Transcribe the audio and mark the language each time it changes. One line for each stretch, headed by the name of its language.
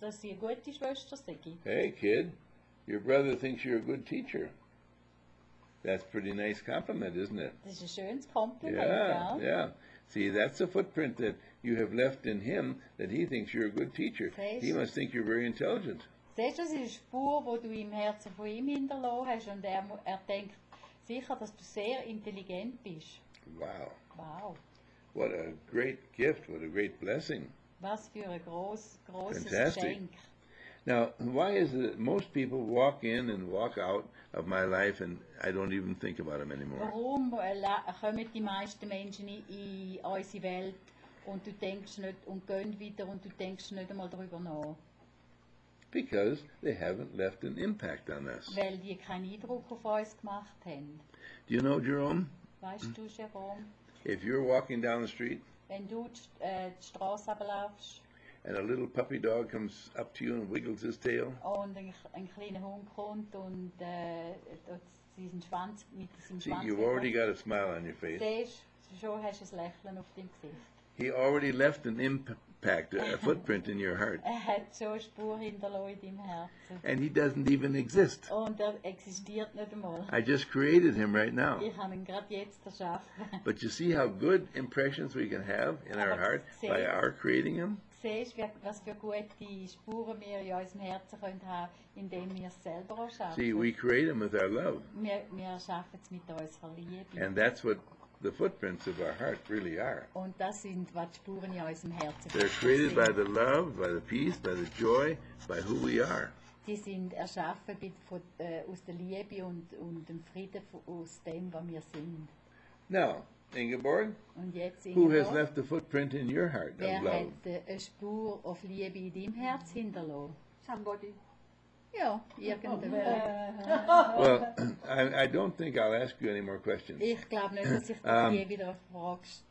German: Dass sie eine gute Schwester sei.
English: Hey kid, your brother thinks you're a good teacher. That's a pretty nice compliment, isn't it?
German: Das ist ein schönes Kompliment,
English: yeah,
German: gell?
English: Yeah. See, that's a footprint that you have left in him, that he thinks you're a good teacher. He must think you're very intelligent.
German: Das ist eine Spur, die du im Herzen von ihm hinterlassen hast und er denkt sicher, dass du sehr intelligent bist.
English: Wow. Wow. What a great gift, what a great blessing.
German: Was für ein großes Geschenk.
English: Now, why is it that most people walk in and walk out of my life and I don't even think about them anymore?
German: Warum kommen die meisten Menschen in unsere Welt und du denkst nicht und gehen wieder und du denkst nicht einmal darüber nach?
English: Because they haven't left an impact on us.
German: Weil die keinen Eindruck auf uns gemacht haben.
English: Do you know Jerome?
German: Weißt du, Jerome?
English: If you're walking down the street,
German: wenn du die Straße runterläufst,
English: and a little puppy dog comes up to you and wiggles his tail,
German: und ein kleiner Hund kommt und seinen Schwanz mit seinem Schwanz.
English: See, you've already got a smile on your face.
German: Siehst, schon hast du ein Lächeln auf dem Gesicht.
English: He already left an impact, a footprint in your heart.
German: Er hat so eine Spur hinterlassen in deinem Herzen.
English: And he doesn't even exist.
German: Und er existiert nicht einmal.
English: I just created him right now.
German: Ich habe ihn gerade jetzt erschaffen.
English: But you see how good impressions we can have in our heart by our creating him?
German: Siehst du, was für gute Spuren wir in unserem Herzen können haben, indem wir es selber erschaffen?
English: See, we create him with our love.
German: Wir erschaffen es mit unserer Liebe.
English: And that's what the footprints of our heart really are.
German: Und das sind, was Spuren in unserem Herzen.
English: They're created by the love, by the peace, by the joy, by who we are.
German: Die sind erschaffen aus der Liebe und dem Frieden aus dem, was wir sind.
English: Now, Ingeborg,
German: und jetzt Ingeborg,
English: who has left a footprint in your heart of love?
German: Wer hat eine Spur auf Liebe in deinem Herz hinterlassen?
English: Somebody.
German: Ja, irgendwer.
English: Well, I don't think I'll ask you any more questions.
German: Ich glaube nicht, dass ich dir wieder fragst.